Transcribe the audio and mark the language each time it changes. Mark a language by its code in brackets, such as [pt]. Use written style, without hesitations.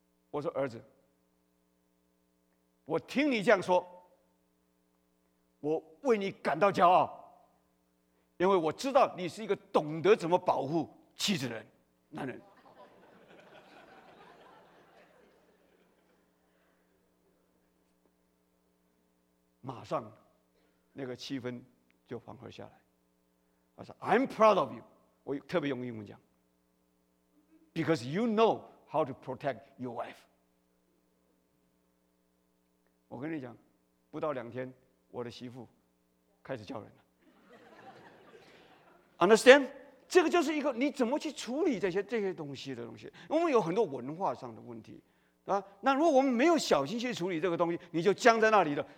[zh] 我说，儿子，我听你这样说，我为你感到骄傲，因为我知道你是一个懂得怎么保护妻子的人，男人。马上，那个气氛就缓和下来。我说 [en] ，I'm proud of you， [zh] 我特别用英文讲 [en] ，because you know how to protect your wife。 [zh] 我跟你讲，不到两天，我的媳妇开始叫人了。 [en] Understand？ [zh] 这个就是一个你怎么去处理这些东西的东西。我们有很多文化上的问题，啊，那如果我们没有小心去处理这个东西，你就僵在那里的。